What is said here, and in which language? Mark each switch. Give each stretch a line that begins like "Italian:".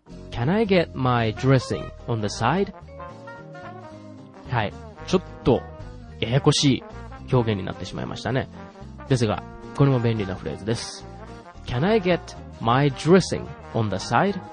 English: Can I get my dressing on the side?
Japanese: はい、ちょっとややこしい表現になってしまいましたね。ですがこれも便利なフレーズです。
English: Can I get my dressing on the side?